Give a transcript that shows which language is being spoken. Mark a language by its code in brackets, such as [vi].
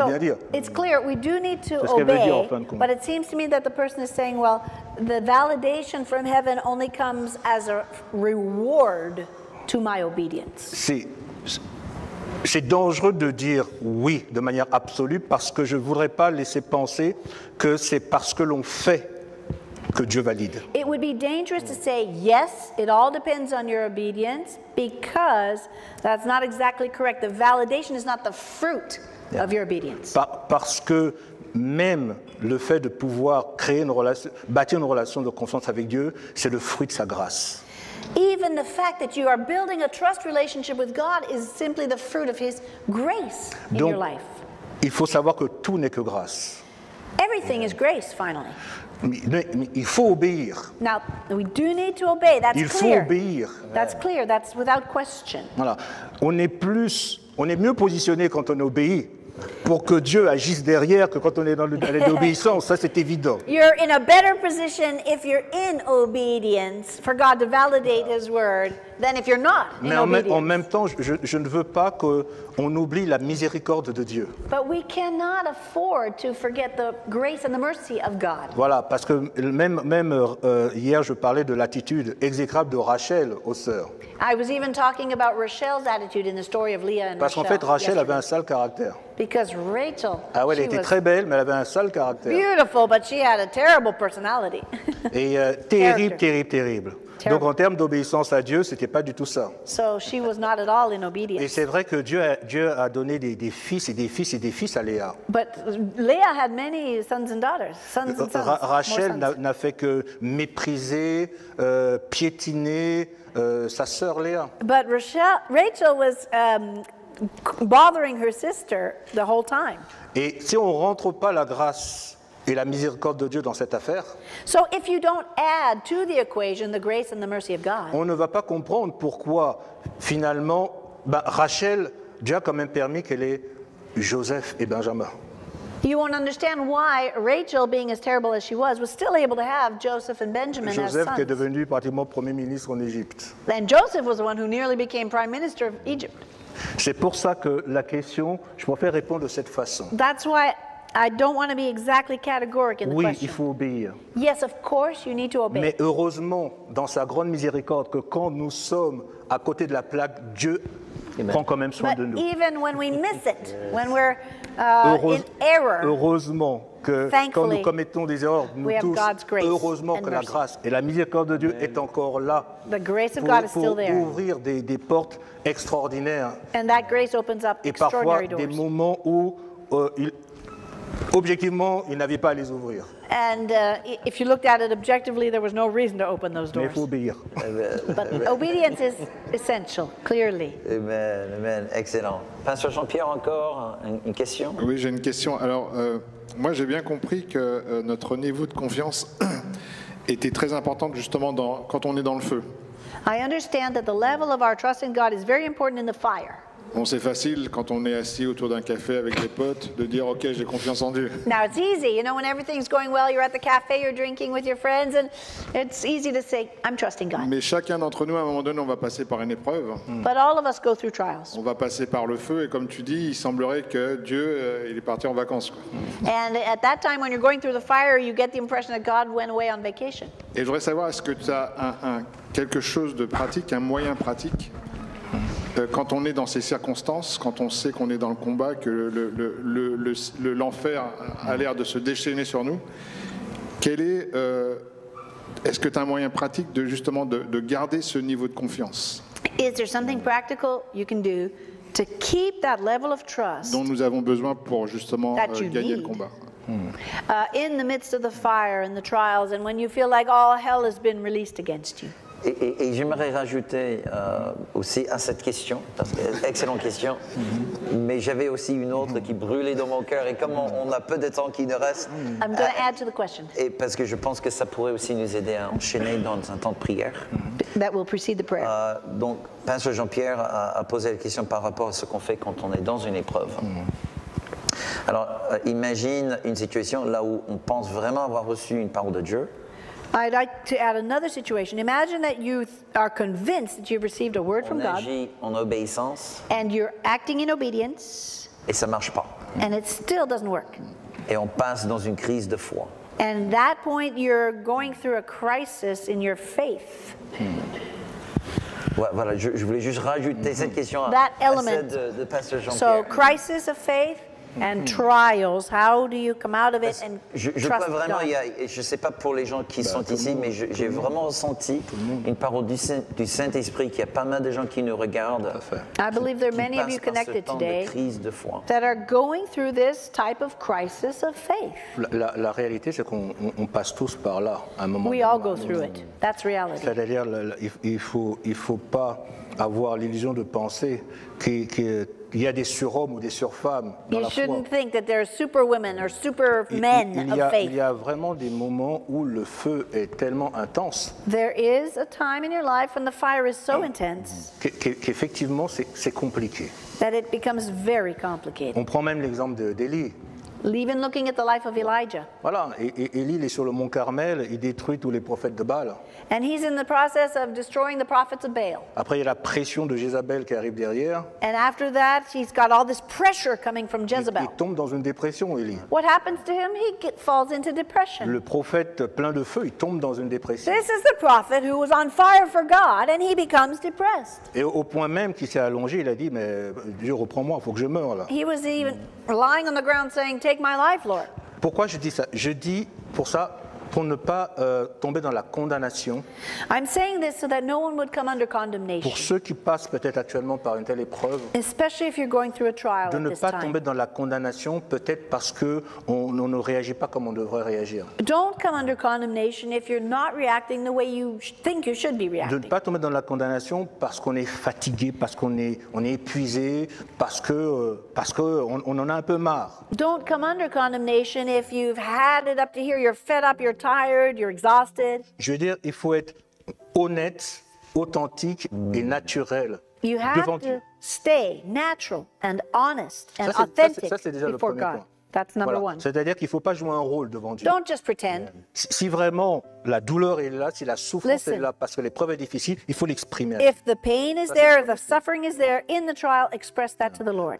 [en] so, [fr] bien dire. [en] It's clear we do need to [fr] c'est [en] obey, [fr] dire, en fin de compte. [en] But it seems to me that the person is saying, well, the validation from heaven only comes as a reward to my obedience. [fr] C'est dangereux de dire oui de manière absolue parce que je voudrais pas laisser penser que c'est parce que l'on fait que Dieu valide. [en] It would be dangerous to say yes, it all depends on your obedience, because that's not exactly correct. The validation is not the fruit of your obedience. [fr] Parce que même le fait de pouvoir créer une relation, bâtir une relation de confiance avec Dieu, c'est le fruit de sa grâce. [en] Even the fact that you are building a trust relationship with God is simply the fruit of his grace [fr] Donc, [en] in your life. [fr] Il faut savoir que tout n'est que grâce. [en] Everything is grace, finally. [fr] Mais il faut obéir. [en] Now, we do need to obey. That's [fr] il [en] clear. [fr] Faut obéir. [en] That's clear. That's without question. [fr] Voilà. On est mieux positionné quand on obéit pour que Dieu agisse derrière que quand on est dans l'obéissance. Ça, c'est évident. [en] You're in a better position if you're in obedience for God to validate his word than if you're not in [fr] Mais [en] obedience. [fr] En même temps, je ne veux pas qu'on oublie la miséricorde de Dieu. [en] But we cannot afford to forget the grace and the mercy of God. [fr] Voilà, parce que même hier, je parlais de l'attitude exécrable de Rachel aux sœurs. [en] I was even talking about Rachel's attitude in the story of Leah and Rachel. [fr] Parce qu'en fait, Rachel avait un sale caractère. [en] Because Rachel, [fr] ah ouais, elle était très belle, mais elle avait un sale caractère. [en] Beautiful, but she had a terrible personality. [fr] Et terrible. Terrible. Donc en termes d'obéissance à Dieu, ce n'était pas du tout ça. [en] So she was not at all in obedience. [fr] Et c'est vrai que Dieu a donné des fils et des fils et des fils à Léa. [en] But Leah had many sons and daughters, sons and sons. [fr] Rachel n'a fait que mépriser, piétiner sa sœur Léa. [en] But Rachel was bothering her sister the whole time. [fr] Et si on rentre pas la grâce et la miséricorde de Dieu dans cette affaire, [en] so if you don't add to the equation the grace and the mercy of God, [fr] on ne va pas comprendre pourquoi finalement Rachel, Dieu a quand même permis qu'elle ait Joseph et Benjamin. [en] You won't understand why Rachel, being as terrible as she was still able to have Joseph and Benjamin [fr] Joseph [en] as sons. [fr] Joseph qui est devenu pratiquement premier ministre en Égypte. [en] Then Joseph was the one who nearly became prime minister of Egypt. [fr] C'est pour ça que la question, je préfère répondre de cette façon. [en] That's why I don't want to be exactly categoric in the [fr] oui, [en] question. [fr] Oui, il faut obéir. [en] Yes, of course, you need to obey. [fr] Mais heureusement, dans sa grande miséricorde, que quand nous sommes à côté de la plaque, Dieu Amen. Prend quand même soin [en] But [fr] de nous. [en] Even when we miss it, when we're in error. [fr] Heureusement que [en] Thankfully, [fr] quand nous commettons des erreurs, nous [en] we [fr] tous, [en] have God's grace [fr] heureusement que [en] mercy. [fr] La grâce et la miséricorde de Dieu Amen. Est encore là [en] the grace of [fr] pour, [en] God is still there. [fr] Pour ouvrir des portes extraordinaires. [en] And that grace opens up [fr] et parfois [en] doors. [fr] Des moments où objectivement, il n'avait pas à les ouvrir. [en] And if you looked at it objectively, there was no reason to open those doors. [fr] Mais faut obéir. [en] But obedience is essential, clearly. [fr] Amen, amen, excellent. Pasteur Jean-Pierre, encore une question? Oui, j'ai une question. Alors, moi, j'ai bien compris que notre niveau de confiance était très important, justement, quand on est dans le feu. [en] I understand that the level of our trust in God is very important in the fire. [fr] Bon, c'est facile quand on est assis autour d'un café avec des potes de dire OK, j'ai confiance en Dieu. [en] Now it's easy, you know, when everything's going well, you're at the cafe, you're drinking with your friends, and it's easy to say I'm trusting God. [fr] Mais chacun d'entre nous, à un moment donné, on va passer par une épreuve. [en] But all of us go through trials. [fr] On va passer par le feu, et comme tu dis, il semblerait que Dieu il est parti en vacances. Quoi. [en] And at that time, when you're going through the fire, you get the impression that God went away on vacation. [fr] Et je voudrais savoir est-ce que tu as quelque chose de pratique, un moyen pratique? Quand on est dans ces circonstances, quand on sait qu'on est dans le combat, que l'enfer a l'air de se déchaîner sur nous, est-ce que tu as un moyen pratique de justement de garder ce niveau de confiance? [en] Is there something practical you can do to keep that level of trust [fr] dont nous avons besoin pour justement gagner le combat? [en] In the midst of the fire and the trials and when you feel like all hell has been released against you. [fr] Et j'aimerais rajouter aussi à cette question, parce que, excellente question, mais j'avais aussi une autre qui brûlait dans mon cœur, et comme on a peu de temps qui nous reste, [en] I'm going to add to the question. [fr] Et parce que je pense que ça pourrait aussi nous aider à enchaîner dans un temps de prière. [en] That will precede the prayer. [fr] Donc, Pasteur Jean-Pierre a posé la question par rapport à ce qu'on fait quand on est dans une épreuve. Alors, imagine une situation là où on pense vraiment avoir reçu une parole de Dieu. [en] I'd like to add another situation. Imagine that you are convinced that you've received a word from God. [fr] On agit en obéissance. [en] And you're acting in obedience. [fr] Et ça marche pas. [en] And it still doesn't work. [fr] Et on passe dans une crise de foi. [en] And at that point, you're going through a crisis in your faith. [fr] Ouais, voilà, je voulais juste rajouter cette question [en] that element. [fr] À celle de Pasteur Jean-Pierre. [en] So, crisis of faith. And trials, how do you come out of it and trust God? [fr] Vraiment, je sais pas pour les gens qui sont ici, mais j'ai vraiment ressenti une parole du Saint-Esprit qu'il y a pas mal de gens qui nous regardent. [en] I believe there are many of you connected today that are going through this type of crisis of faith. [fr] La réalité, c'est qu'on passe tous par là à un moment. [en] We all go through it. That's reality. [fr] C'est-à-dire, il faut pas avoir l'illusion de penser qu'il y a des surhommes ou des surfemmes dans la foi. [en] You shouldn't think that there are superwomen or supermen of faith. [fr] Il y a vraiment des moments où le feu est tellement intense. [en] There is a time in your life when the fire is so intense. [fr] Qu'effectivement, c'est compliqué. [en] That it becomes very complicated. [fr] On prend même l'exemple d'Élie. [en] Even looking at the life of Elijah. [fr] Voilà, Élie est sur le mont Carmel, il détruit tous les prophètes de Baal. [en] And he's in the process of destroying the prophets of Baal. [fr] Après, il y a la pression de Jézabel qui arrive derrière. [en] And after that, he's got all this pressure coming from Jezebel. [fr] Il tombe dans une dépression, Élie. [en] What happens to him? He falls into depression. [fr] Le prophète plein de feu, il tombe dans une dépression. [en] This is the prophet who was on fire for God, and he becomes depressed. [fr] Et au point même qu'il s'est allongé, il a dit, mais Dieu, reprends-moi, il faut que je meure là. [en] He was even lying on the ground saying, take my life, Lord. [fr] Pourquoi je dis ça? Je dis pour ça, pour ne pas tomber dans la condamnation. [en] I'm saying this so that no one would come under condemnation. [fr] Pour ceux qui passent peut-être actuellement par une telle épreuve, [en] especially if you're going through a trial, [fr] de ne pas tomber dans la condamnation, peut-être parce que on ne réagit pas comme on devrait réagir. [en] Don't come under condemnation if you're not reacting the way you think you should be reacting. [fr] De ne pas tomber dans la condamnation parce qu'on est fatigué, parce qu'on est épuisé, parce que on en a un peu marre. [en] Don't come under condemnation if you've had it up to here, you're fed up. You're tired, you're exhausted. [fr] Je veux dire, il faut être honnête, authentique et naturel. [en] You have [fr] devant [en] to [fr] Dieu. [en] Stay natural and honest and authentic before God. That's number [fr] voilà. [en] one. [fr] C'est-à-dire qu'il ne faut pas jouer un rôle devant Dieu. [en] Don't just pretend. [fr] Si vraiment la douleur est là, si la souffrance est là, parce que l'épreuve est difficile, il faut l'exprimer. [en] If the pain is there, if the suffering is there, in the trial, express that to the Lord.